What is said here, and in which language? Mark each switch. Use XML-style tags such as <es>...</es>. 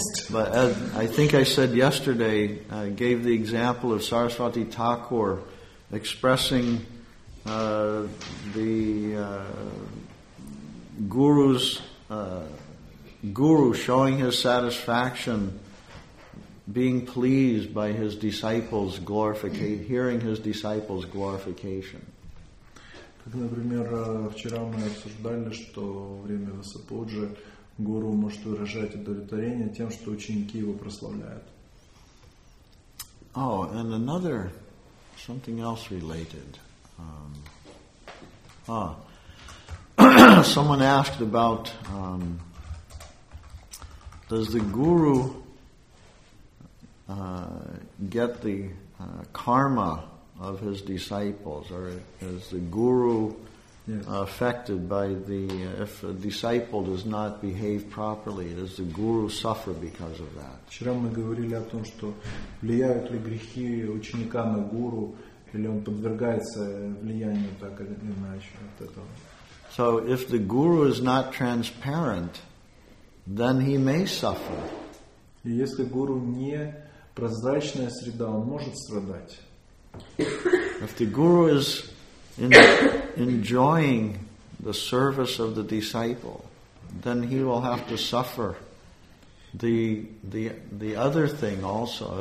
<en>But as I think I said yesterday, I gave the example of Saraswati Thakur expressing the guru showing his satisfaction, being pleased by his disciples' glorification, hearing his disciples' glorification.</en> <ru>Как, например, вчера мы обсуждали, что во время Васапуджи гуру может выражать удовлетворение тем, что ученики его прославляют.</ru> <en>Oh, and another. Something else related. Someone asked about does the guru get the karma of his disciples, or is the guru affected by the if a disciple does not behave properly, does the guru suffer because of that?</en> <ru>Вчера мы говорили о том, что влияют ли грехи ученика на гуру, или он подвергается влиянию так или иначе от этого.</ru> <en>So if the guru is not transparent, then he may suffer.</en> <ru>И если гуру не прозрачная среда, он может страдать.</ru> <en>If the guru is enjoying the service of the disciple, then he will have to suffer the other thing also.</en>